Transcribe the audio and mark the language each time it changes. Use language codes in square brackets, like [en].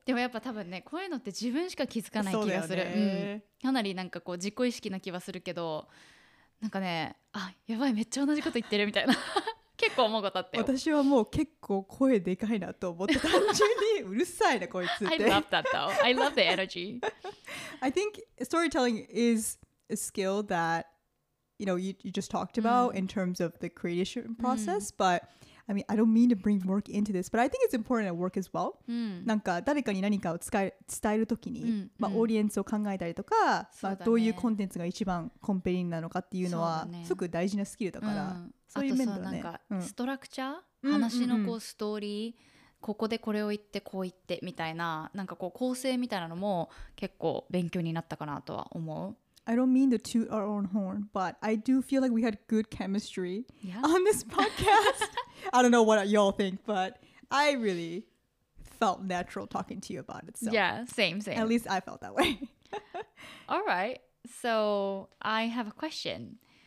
[ja] でもやっぱ多分ね、こういうのって自分しか気づかない気がする、うん、かなりなんかこう自己意識な気はするけど、なんかね、あ、やばい、めっちゃ同じこと言ってるみたいな結構思うことあって、私はもう結構声でかいなと思って単純にうるさいなこいつって [en] I love that though. I love the energy. I think storytelling is a skill thatYou know, you just talked about in terms of the creation process. But, I mean, I don't mean to bring work into this, but I think it's important at work as well. [ja] なんか誰かに何かを伝えるときに、まあ、オーディエンスを考えたりとか、まあ、どういうコンテンツが一番コンペリングなのかっていうのは、すごく大事なスキルだから、そういう面だね。あとさ、なんか、ストラクチャー、話のこうストーリー、ここでこれを言って、こう言って、みたいな、なんかこう構成みたいなのも結構勉強になったかなとは思う。 [en] I don't mean to toot our own horn, but I do feel like we had good chemistry on this podcast. I don't know what y'all think, but I really felt natural talking to you about it. So. Yeah, same, same. At least I felt that way. All right, so I have a question.